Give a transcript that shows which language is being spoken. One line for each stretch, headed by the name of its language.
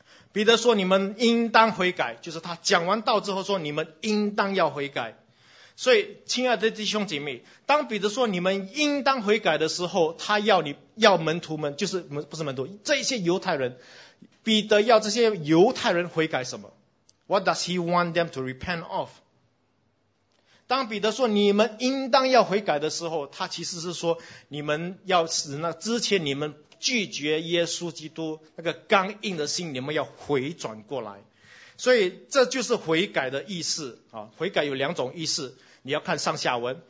Chinese: 彼得说你们应当悔改，就是他讲完道之后说你们应当要悔改。所以亲爱的弟兄姐妹，当彼得说你们应当悔改的时候，他要你要门徒们，就是不是门徒，这些犹太人，彼得要这些犹太人悔改什么？
English: What does he want them to repent of?
Chinese: 当彼得说你们应当要悔改的时候，他其实是说你们要使那之前你们拒绝耶稣基督那个刚硬的心，你们要回转过来。所以这就是悔改的意思啊。悔改有两种意思，你要看上下文。